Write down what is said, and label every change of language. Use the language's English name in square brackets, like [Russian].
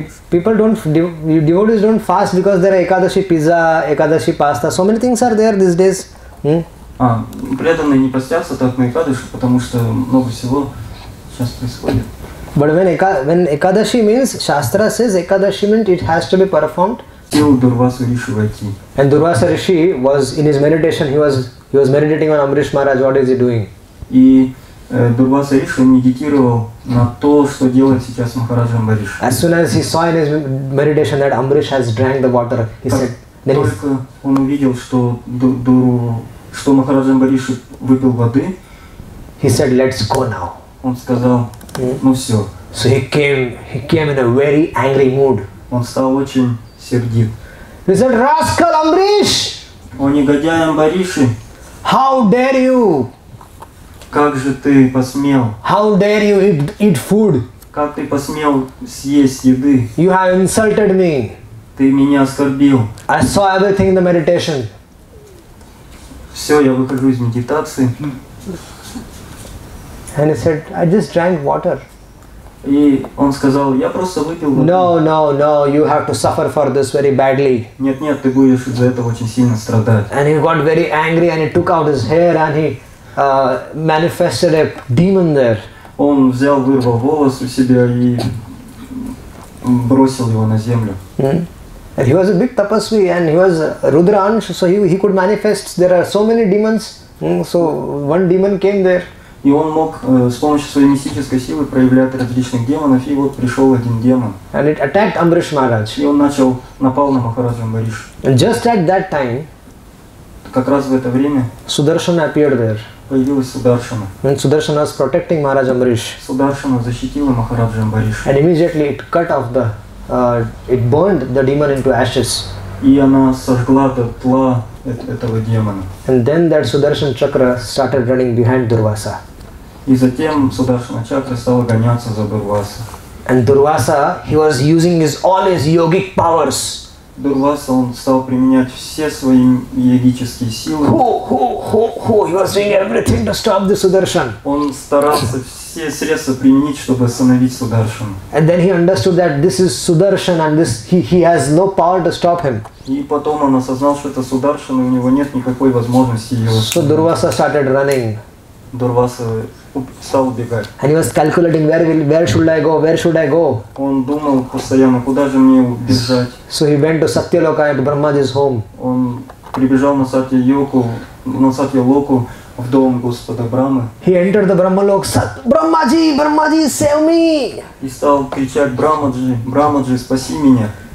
[English] People don't, devotees don't fast because there are Ekadashi pizza, Ekadashi pasta. So many things are there these days. [Russian] Преданные не постятся так на Экадаши, потому что много всего сейчас происходит. [English] But when Ekadashi means, Shastra says Ekadashi means it has to be performed. Till Durvasa Rishi Vaiti. And Durvasa Rishi was in his meditation, he was meditating on Amrish Maharaj, what is he doing? [Russian] И Дурваса Риши медитировал на то, что делает сейчас Махараджа Амриш. [English] As soon as he saw in his meditation that Amrish has drank the water, he said, [Russian] then только он увидел, что что Махараджа Амриш выпил воды. [English] He said, let's go now. [Russian] Он сказал, ну все. [English] So he came in a very angry mood. [Russian] Он стал очень сердит. [English] He said, rascal Amrish! [Russian] О негодяй Амриши! [English] How dare you? [Russian] Как же ты посмел? [English] How dare you eat food? [Russian] Как ты посмел съесть еды? [English] You have insulted me. [Russian] Ты меня оскорбил. [English] I saw everything in the meditation. [Russian] Все, я выхожу из медитации. [English] And he said, I just drank water. [Russian] И он сказал, я просто выпил воду. [English] No, you have to suffer for this very badly. [Russian] Нет, ты будешь из-за этого очень сильно страдать. [English] And he got very angry and he took out his hair and he manifested a demon there. [Russian] Он взял, вырвал волос у себя и бросил его на землю. [English] And he was a big tapasvi and he was Rudraansh, so he could manifest. There are so many demons, so one demon came there. [Russian] И он мог с помощью своей мистической силы проявлять различных демонов, и вот пришел один демон. [English] And it attacked Amrish Maharaj. [Russian] И он начал напал на Махараджа Амриш. [English] And just at that time, [Russian] как раз в это время, [English] Sudarshana appeared there. [Russian] Появилась Sudarshana. [English] And Sudarshana was protecting Maharaj Amrish. [Russian] Sudarshana защитила Махараджа Амриша. [English] And immediately it cut off the, it burned the demon into ashes. [Russian] И она сожгла дотла этого демона. [English] And then that Sudarshan chakra started running behind Durvasa. [Russian] И затем Sudarshana chakra стала гоняться за Durvasa. [English] And Durvasa, he was using all his yogic powers. [Russian] Дурваса, он стал применять все свои йогические силы. Ho! [English] He was doing everything to stop the Sudarshan. [Russian] Он старался все средства применить, чтобы остановить Sudarshana. [English] And then he understood that this is Sudarshan and this he has no power to stop him. [Russian] И потом он осознал, что это Sudarshan, и у него нет никакой возможности его остановить. [English] So Дурваса started running. [Russian] Дурваса стал убегать. [English] And he was calculating where should I go? [Russian] Он думал постоянно, куда же мне убежать. [English] So he went to Satyaloka at Brahmaji's home. [Russian] Он прибежал на Сатья-Локу, в дом Господа Брамы. [English] He entered the Brahmalok. Brahmaji, save me! [Russian] И стал кричать, Брамаджи, спаси меня.